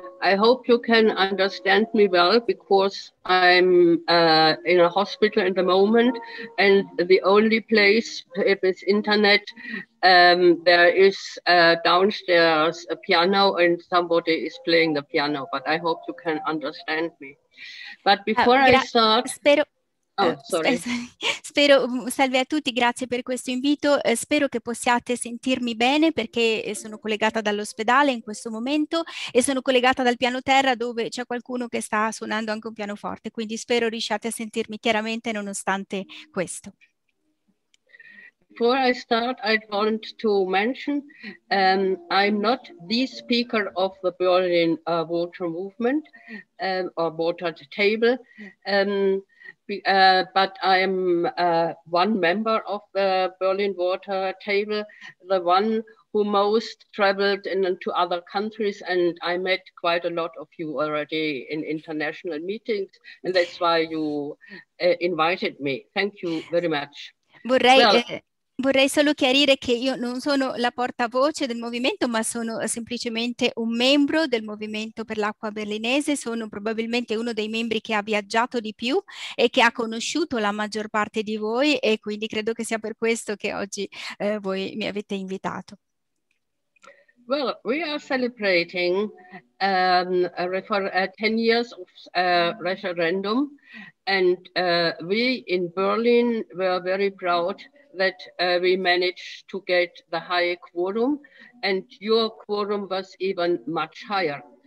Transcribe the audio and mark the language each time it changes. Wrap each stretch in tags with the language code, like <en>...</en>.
<en>I hope you can understand me well because I'm in a hospital at the moment, and the only place, if it's internet, there is downstairs a piano and somebody is playing the piano, but I hope you can understand me. But before I start, oh, sorry.</en> <it>Spero, salve a tutti, grazie per questo invito. Spero che possiate sentirmi bene perché sono collegata dall'ospedale in questo momento e sono collegata dal piano terra dove c'è qualcuno che sta suonando anche un pianoforte. Quindi spero riusciate a sentirmi chiaramente nonostante questo.</it> <en>Before I start, I want to mention I'm not the speaker of the Berlin Water Movement or Water Table, but I'm one member of the Berlin Water Table, the one who most traveled into other countries, and I met quite a lot of you already in international meetings, and that's why you invited me. Thank you very much. Well,</en> <it>Vorrei solo chiarire che io non sono la portavoce del movimento, ma sono semplicemente un membro del movimento per l'acqua berlinese. Sono probabilmente uno dei membri che ha viaggiato di più e che ha conosciuto la maggior parte di voi, e quindi credo che sia per questo che oggi, voi mi avete invitato.</it> <en>We are celebrating 10 years of referendum, and we in Berlin were very proud that we managed to get the high quorum, and your quorum was even much higher.</en>